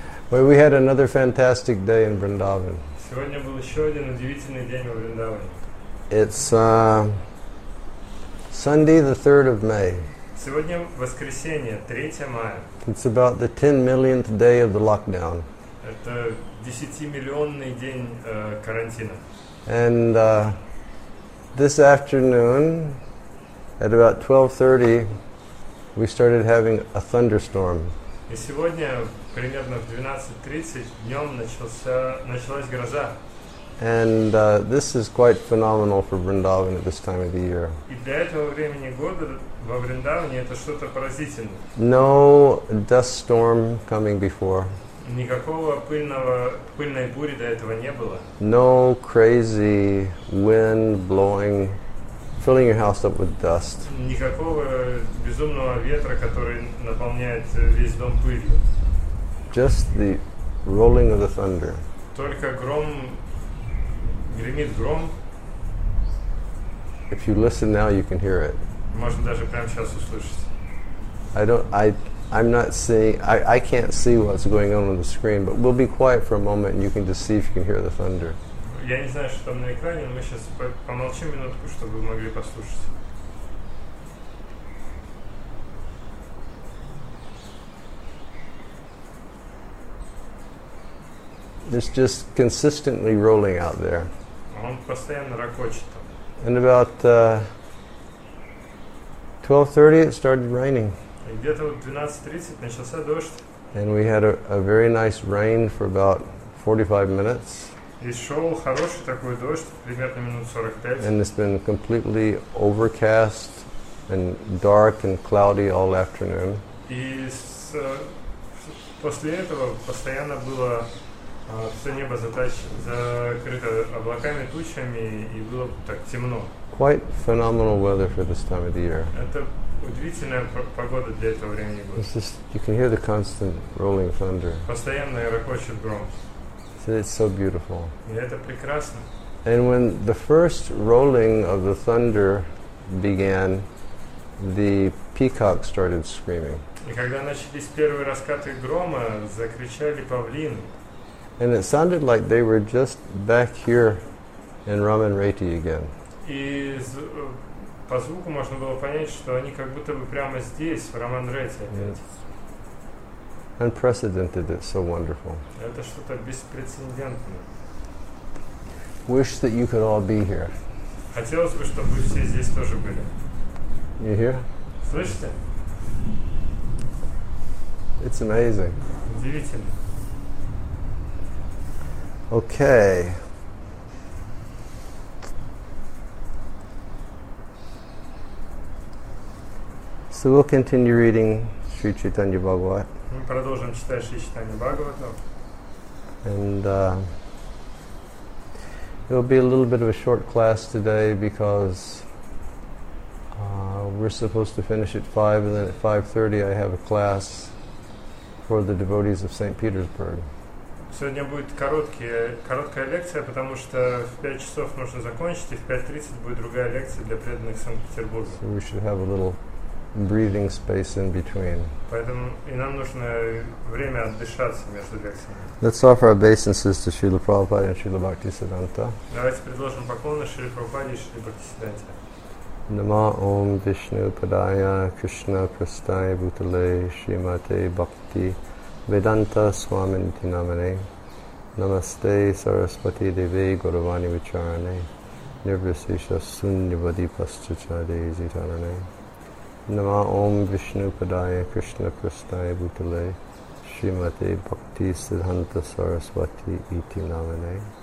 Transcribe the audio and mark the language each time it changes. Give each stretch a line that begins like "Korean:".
English: Well, we had another fantastic day in Vrindavan.
Russian: Сегодня был еще один удивительный день в Вриндаване.
English: It's Sunday, the 3rd of May.
Russian: Сегодня воскресенье, 3 мая.
English: It's about the 10 millionth day of the lockdown.
Russian: Это 10-миллионный день карантина.
English: And this afternoon, at about 12:30, we started having a thunderstorm.
Russian: И сегодня примерно в 12:30 днем началась гроза.
English: And this is quite phenomenal for Vrindavan at this time of the year.
Russian: И для этого времени года во Вриндаване это что-то поразительное.
English: No dust storm coming before.
Russian: Никакого пыльной бури до этого не было.
English: No crazy wind blowing, filling your house up with dust.
Russian: Никакого безумного ветра, который наполняет весь дом пылью.
English: Just the rolling of the thunder.
Russian: Только гром, гремит гром.
English: If you listen now, you can hear it.
Russian: Можно даже прямо сейчас услышать.
English: I can't see what's going on the screen, but we'll be quiet for a moment and you can just see if you can hear the thunder.
Russian: Я не знаю, что там на экране, но мы сейчас помолчим минутку, чтобы вы могли послушать.
English: It's just consistently rolling out there.
Russian: Он постоянно ракочет там.
English: And about 12:30 it started raining.
Russian: И где-то в 12:30 начался дождь.
English: And we had a very nice rain for about 45 minutes.
Russian: И шел хороший такой дождь, примерно минут 45.
English: And it's been completely overcast and dark and cloudy all afternoon.
Russian: И после этого постоянно было все небо закрыто облаками, тучами, и было так темно.
English: Quite phenomenal weather for this time of the year.
Russian: Это удивительная погода для этого времени года.
English: It's just, you can hear the constant rolling thunder.
Russian: Постоянно ракочет гром.
English: It's so beautiful.
Russian: И это прекрасно.
English: And when the first rolling of the thunder began, the peacock started screaming.
Russian: И когда начались первые раскаты грома, закричали павлины.
English: And it sounded like they were just back here in Ramanreti again.
Russian: И по звуку можно было понять, что они как будто бы прямо здесь, в Ramanreti.
English: Unprecedented, it's so wonderful.
Russian: Это что-то беспрецедентное.
English: Wish that you could all be here.
Russian: Хотелось бы, чтобы вы все здесь тоже были.
English: You hear?
Russian: Слышите?
English: It's amazing.
Russian: Удивительно.
English: Okay. So we'll continue reading Sri Chaitanya Bhagavat.
Russian: Мы продолжим читать Шри Чайтанья Бхагавата.
English: And it will be a little bit of a short class today because we're supposed to finish at 5 and then at 5:30 I have a class for the devotees of St. Petersburg.
Russian: Сегодня будет короткая лекция, потому что в 5 часов нужно закончить, и в 5:30 будет другая лекция для преданных Санкт-Петербурга.
English: So we should have a little breathing space in between.
Russian: Поэтому и нам нужно время отдышаться между лекциями.
English: Let's offer our obeisances to Srila Prabhupada and Srila Bhaktisiddhanta.
Russian: Давайте предложим поклоны Шриле Прабхупаде и Шриле Бхактисиддханте.
Sanskrit: Нама Ом Вишну Падая Кришна Прастая Бутале Шримате Бхакти Веданта Свамити Намане Намасте Сарасвати Деве Гуравани Вичаране Нирвисеша Суньявади Пасчачаде Зитаране Нама Ом Вишну Падая Кришна Прастая Бутале Шримате Бхакти Сиддханта Сарасвати Ити Намане